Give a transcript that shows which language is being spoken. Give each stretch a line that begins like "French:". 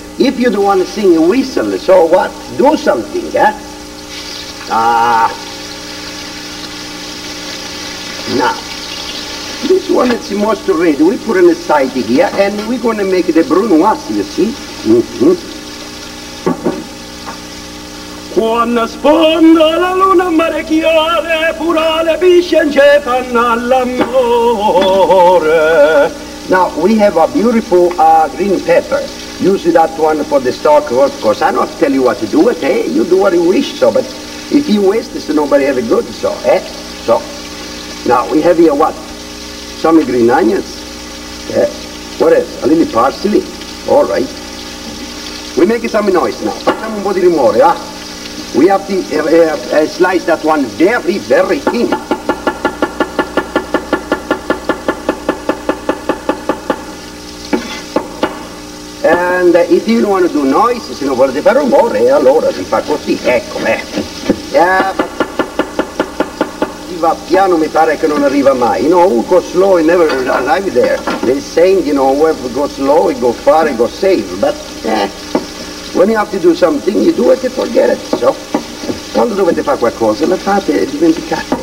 English: If you don't want to sing, whistle, so what? Do something, eh? Now. This one is most ready. We put it aside here and we're going to make the brunoise, you see. Mm-hmm.
Neapolitan: Quando sfonda la luna mare chiare, pura le bisce in cefan all'amore.
English: Now, we have a beautiful green pepper. Use that one for the stock, of course. I don't tell you what to do with it. Hey, you do what you wish, so. But if you waste it, nobody has a good, so. Eh? So, now, we have here what? Some green onions. Yeah. What else? A little parsley. All right. We make some noise now. Some body more, yeah? We have to slice that one very, very thin. And if you don't want to do noise,
Italian: se non volete fare rumore, allora si fa così. Ecco, va piano, mi pare che non arriva mai.
English: You know, who goes slow, he never arrive there. They saying, you know, whoever goes slow, he go far, he go safe. But when you have to do something, you do it and forget it.
Italian: So, quando dovete fare qualcosa, la fate e dimenticate.